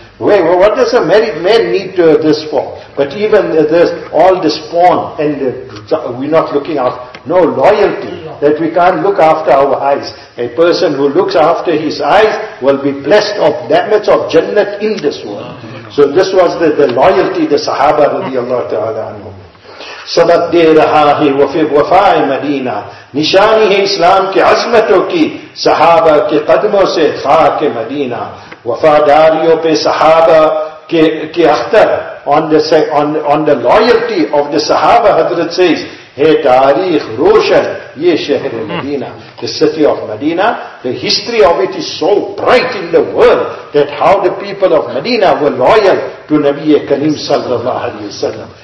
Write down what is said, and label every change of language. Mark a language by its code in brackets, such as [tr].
[en] Well, what does a married man need this for? But even this, all this porn and we're not looking after, no loyalty, that we can't look after our eyes. A person who looks after his eyes will be blessed of that much of Jannat in this world. So this was the loyalty the Sahaba radiallahu ta'ala anhu. [ur] سبق دے رہا ہے وفاء مدینہ, نشانی ہے اسلام کے عظمتوں کی صحابہ کے قدموں سے خاک مدینہ. وفاداریوں پہ صحابہ کے Akhtar, [en] on the loyalty of the صحابہ, حضرت says, hey, [ur] تاریخ روشن, یہ شہر مدینہ, [en] the city of Medina, the history of it is so bright in the world that how the people of Medina were loyal to نبی کریم صلی اللہ علیہ وسلم.